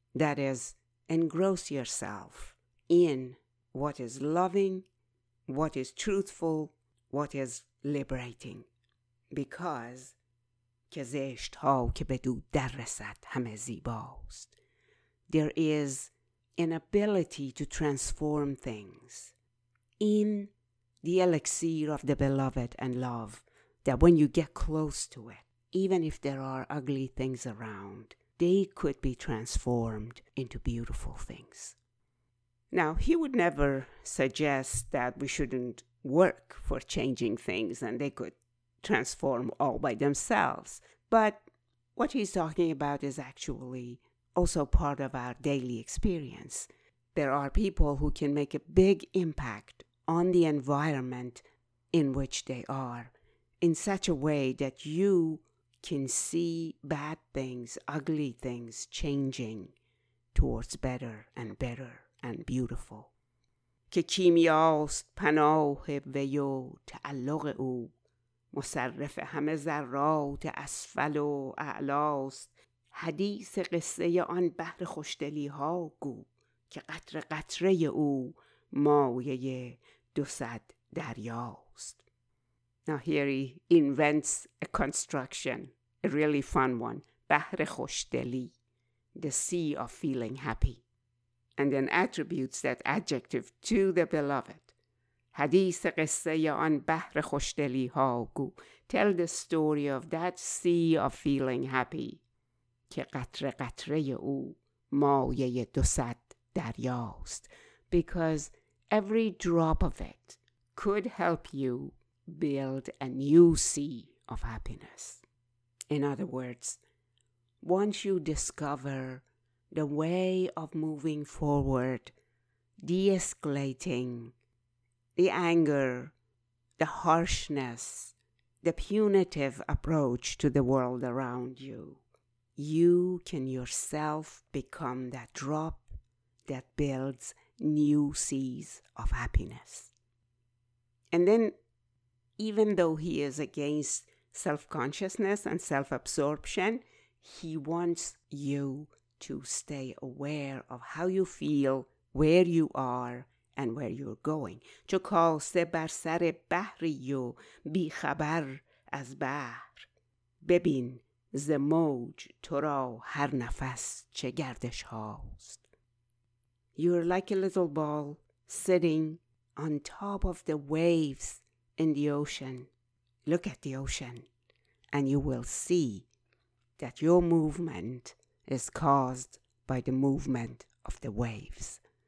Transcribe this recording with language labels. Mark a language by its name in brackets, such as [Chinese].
[English] That is, engross yourself in what is loving, what is truthful, what is liberating. Because [Persian] که زشت ها که بدو در رسد همه زیباست. [English] There is an ability to transform things in the elixir of the beloved and love, that when you get close to it, even if there are ugly things around, they could be transformed into beautiful things. Now, he would never suggest that we shouldn't work for changing things and they could transform all by themselves. But what he's talking about is actually also part of our daily experience. There are people who can make a big impact on the environment in which they are, in such a way that you can see bad things, ugly things, changing towards better and better and beautiful. [Persian] که کیمیاست پناه وی و تعلق او، مصرف همه ذرات اسفل و اعلاست. حدیث قصه آن بحر خوشدلی ها گو، که قطره قطره او مایه 200 دریاست. [English] Now here he invents a construction, a really fun one. [Persian] بحر خوشدلی, [English] the sea of feeling happy. And then attributes that adjective to the beloved. [Persian] حدیث قصه آن بحر خوشدلی ها گو. [English] Tell the story of that sea of feeling happy. [Persian] که قطره قطره او مایه 200 دریاست. [English] Because every drop of it could help you build a new sea of happiness. In other words, once you discover the way of moving forward, de-escalating the anger, the harshness, the punitive approach to the world around you, you can yourself become that drop that builds new seas of happiness. And then, even though he is against self-consciousness and self-absorption, he wants you to stay aware of how you feel, where you are, and where you're going. [Persian] چو کاسه بر سر بحری و بی خبر از بحر، ببین ز موج تو را هر نفس چه گردش هاست. [English] You're like a little ball sitting on top of the waves in the ocean. Look at the ocean and you will see that your movement is caused by the movement of the waves.